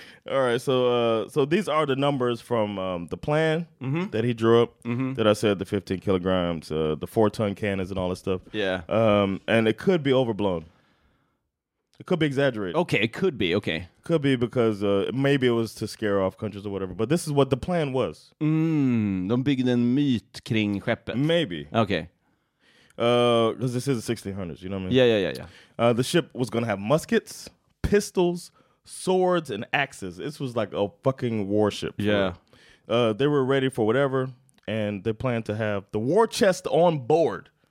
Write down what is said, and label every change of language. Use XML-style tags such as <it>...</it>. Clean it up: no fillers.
<en>All right, so these are the numbers from the plan mm-hmm. that he drew up, mm-hmm. that I said, the 15 kilograms, the 4-ton cannons and all this stuff. Yeah. And it could be overblown. It could be exaggerated. Okay, it could be, okay. Could be because maybe it was to scare off countries or whatever, but this is what the plan was.</en> <sv>Mm, de byggde en myt kring skeppet.</sv> <en>Maybe. Okay. Because this is the 1600s, you know what I mean? Yeah. The ship was going to have muskets, pistols, swords and axes. This was like a fucking warship. Yeah. They were ready for whatever, and they planned to have the war chest on board.</en>